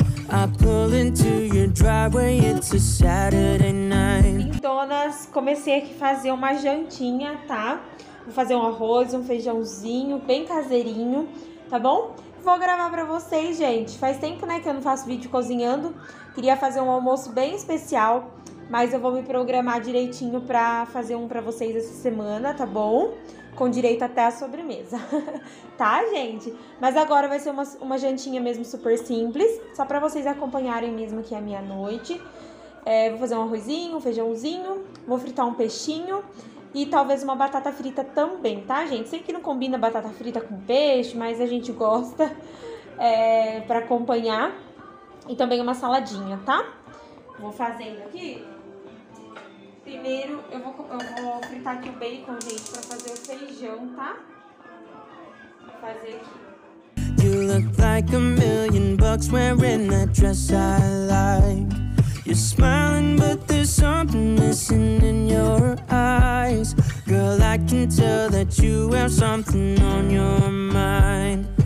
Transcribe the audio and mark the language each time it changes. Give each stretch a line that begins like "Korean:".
English: I pull into your driveway, it's a Saturday night.
Portuguese: Donas, comecei aqui a fazer uma jantinha, tá? Vou fazer um arroz, um feijãozinho, bem caseirinho, tá bom? Vou gravar pra vocês, gente. Faz tempo, né, que eu não faço vídeo cozinhando. Queria fazer um almoço bem especial, mas eu vou me programar direitinho pra fazer um pra vocês essa semana, tá bom? Com direito até a sobremesa, tá, gente? Mas agora vai ser uma jantinha mesmo super simples, só pra vocês acompanharem mesmo aqui a minha noite. É, vou fazer um arrozinho, um feijãozinho, vou fritar um peixinho E talvez uma batata frita também, tá, gente? Sei que não combina batata frita com peixe, mas a gente gosta pra acompanhar. E também uma saladinha, tá? Vou fazendo aqui. Primeiro eu vou fritar aqui o bacon, gente, pra fazer o feijão, tá? Vou fazer aqui.
English: You look like a million bucks wearing that dress I like. You're smiling, but there's something missing in your eyes. Girl, I can tell that you have something on your mind.